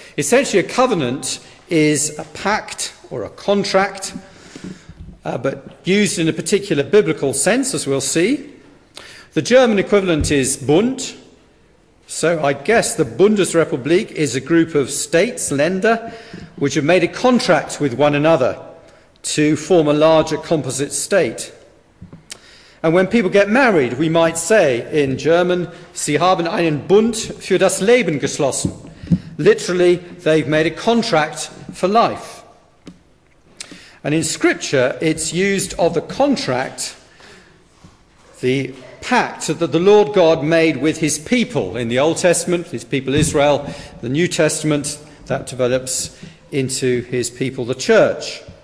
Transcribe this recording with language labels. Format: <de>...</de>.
<en>Essentially, a covenant is a pact or a contract, but used in a particular biblical sense, as we'll see. The German equivalent is Bund. So I guess the Bundesrepublik is a group of states, Länder, which have made a contract with one another to form a larger composite state. And when people get married, we might say in German,</en> <de>Sie haben einen Bund für das Leben geschlossen.</de> <en>Literally, they've made a contract for life. And in Scripture, it's used of the contract, the pact that the Lord God made with his people in the Old Testament, his people Israel, the New Testament, that develops into his people, the church.</en>